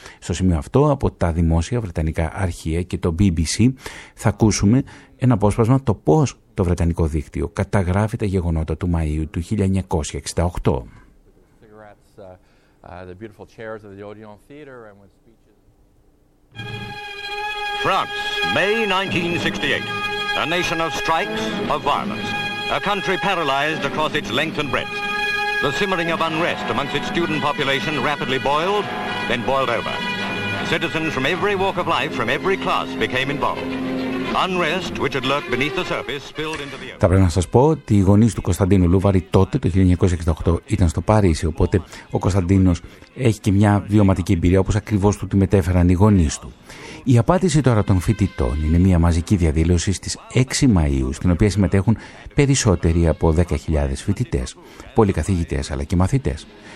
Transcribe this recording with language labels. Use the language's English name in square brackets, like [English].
[Greek] Στο σημείο αυτό, από τα δημόσια βρετανικά αρχεία και το BBC, θα ακούσουμε ένα απόσπασμα το πώς το βρετανικό δίκτυο καταγράφει τα γεγονότα του Μαΐου του 1968. [English] France, May 1968. A nation of strikes, of violence. A country paralyzed across its length and breadth. The simmering of unrest amongst its student population rapidly boiled, then boiled over. Citizens from every walk of life, from every class, became involved. Unrest, which had lurked beneath the surface, spilled into the open. [Greek] Θα πρέπει να σας πω ότι οι γονείς του Κωνσταντίνου Λούβαρη τότε, το 1968, ήταν στο Παρίσι, οπότε ο Κωνσταντίνος έχει και μια βιωματική εμπειρία, όπως ακριβώς του τη μετέφεραν οι γονείς του. Η απάντηση τώρα των φοιτητών είναι μια μαζική διαδήλωση στις 6 Μαΐου, στην οποία συμμετέχουν περισσότεροι από 10.000 φοιτητές, πολυκαθηγητές αλλά και μαθητές.